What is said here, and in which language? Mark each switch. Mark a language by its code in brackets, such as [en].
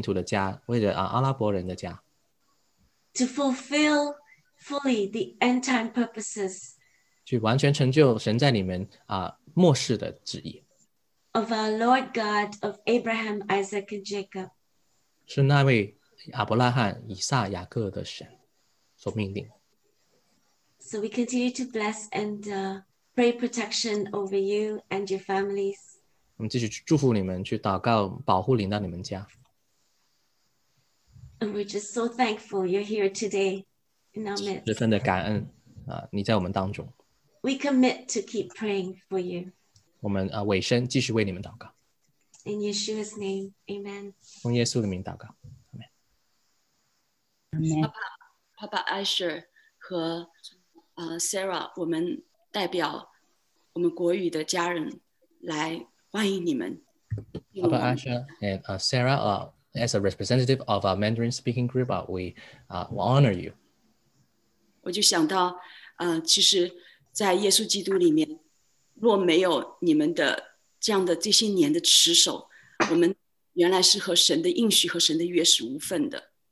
[zh] 继续求告神，他的恩膏在你身上，为着你弥赛亚信徒的家，为着阿拉伯人的家。 [en] To fulfill fully the end time purposes. [zh] 去完全成就神在你们末世的旨意。 [en] Of our Lord God of Abraham, Isaac, and Jacob. [zh] 是那位亚伯拉罕、以撒、雅各的神所命定。 [en] So we continue to bless and pray protection over you and your families. [zh] 我们继续祝福你们，去祷告，保护领到你们家。We're [en] just so thankful you're here today in our midst. [zh] 十分的感恩，你在我们当中。We [en] commit to keep praying for you. [zh] 我们尾声继续为你们祷告。In [en] Yeshua's name, Amen. [zh] 奉耶稣的名祷告，阿门。 Papa Asher 和Sarah, 我们代表我们国语的家人来欢迎你们。 [en] Papa Asha and Sarah, as a representative of our Mandarin speaking group, we honor you. [zh] 我就想到，其实在耶稣基督里面，若没有你们的这样的这些年的持守，我们原来是和神的应许和神的约是无份的。